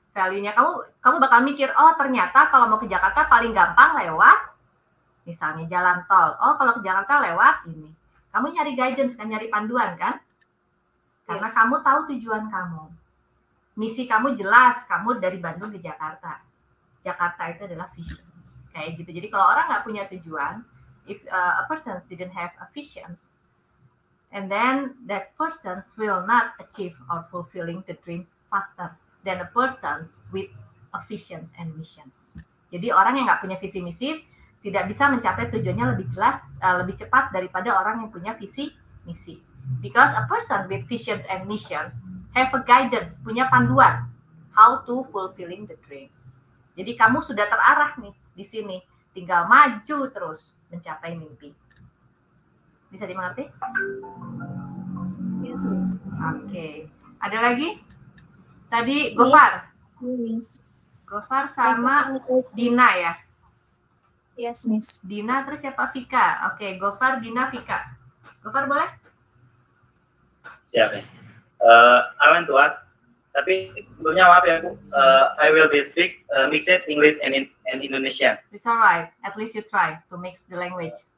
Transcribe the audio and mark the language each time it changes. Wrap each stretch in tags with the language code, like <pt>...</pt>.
<id>Value-nya kamu bakal mikir, oh ternyata kalau mau ke Jakarta paling gampang lewat misalnya jalan tol. Oh, kalau ke Jakarta lewat ini. Kamu nyari guidance kan, nyari panduan kan? Karena yes, kamu tahu tujuan kamu. Misi kamu jelas, kamu dari Bandung ke Jakarta. Jakarta itu adalah vision. Kayak gitu. Jadi kalau orang nggak punya tujuan,</id> <en>if a person didn't have a vision, and then that person will not achieve or fulfilling the dreams faster than a person with a vision and missions.</en> <id>Jadi orang yang nggak punya visi misi tidak bisa mencapai tujuannya lebih jelas, lebih cepat daripada orang yang punya visi misi.</id> <en>Because a person with visions and missions have a guidance,</en> <id>punya panduan</id> <en>how to fulfilling the dreams.</en> <id>Jadi kamu sudah terarah nih di sini, tinggal maju terus mencapai mimpi. Bisa dimengerti?</id> <en>Yes.</en> <id>Oke. Okay. Ada lagi? Tadi Gofar.</id> <en>Yes.</en> <id>Gofar sama Dina ya?</id> <en>Yes, Miss.</en> <id>Dina terus siapa? Fika. Oke, okay. Gofar, Dina, Fika. Gofar boleh?</id> <en>Yeah, Miss. I want to ask.</en> <id>Tapi sebelumnya maaf ya, Bu.</id> <en>I will be speak mixed English and in Indonesian. It's alright. At least you try to mix the language.</en>